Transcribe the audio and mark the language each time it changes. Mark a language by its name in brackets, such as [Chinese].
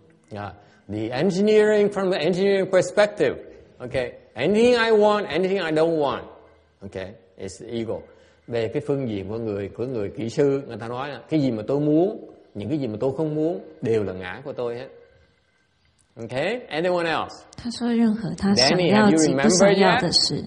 [English] Yeah. The engineering, from the engineering perspective. Okay, Anything I want, anything I don't want. Okay, it's ego. [Vietnamese] Về cái phương diện của người kỹ sư, người ta nói là cái gì mà tôi muốn, những cái gì mà tôi không muốn đều là ngã của tôi hết. [English] Okay, anyone else? [Chinese] 他说任何他想要及不想要的事。